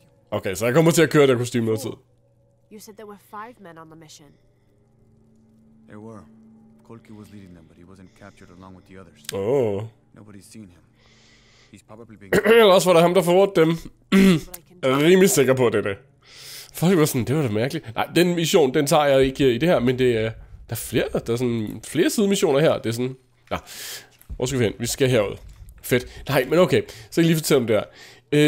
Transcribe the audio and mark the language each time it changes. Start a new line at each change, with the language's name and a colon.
Danish: Okay, så jeg kommer til at køre det kostyme noget tid.
English: You said there were five men on the mission. There were. Kolki was leading them, but he wasn't captured along with the others. Oh. Nobody's seen him. He's probably being.
Danish: Eller også var det ham, der forrådte dem. Jeg er rimelig sikker på det. Folk var sådan, det var da mærkeligt. Nej, den mission, den tager jeg ikke i det her, men det er der er flere side missioner her. Det er sådan. Ja. Hvor skal vi hen? Vi skal herud. Fedt. Nej, men okay. Så jeg kan lige fortælle om det her.